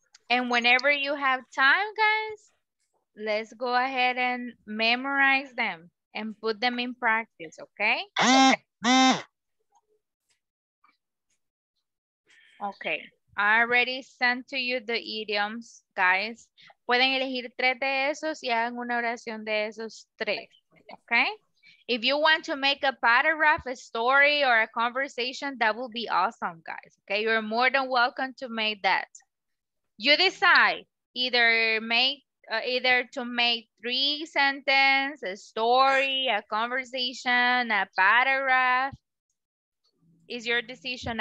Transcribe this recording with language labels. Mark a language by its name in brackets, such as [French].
[English] And whenever you have time, guys, let's go ahead and memorize them and put them in practice, okay? Okay, I already sent to you the idioms, guys. [Spanish] Pueden elegir tres de esos y hagan una oración de esos tres, okay? [English] If you want to make a paragraph, a story, or a conversation, that will be awesome, guys, okay? You're more than welcome to make that. You decide either to make three sentences, a story, a conversation, a paragraph. It's your decision.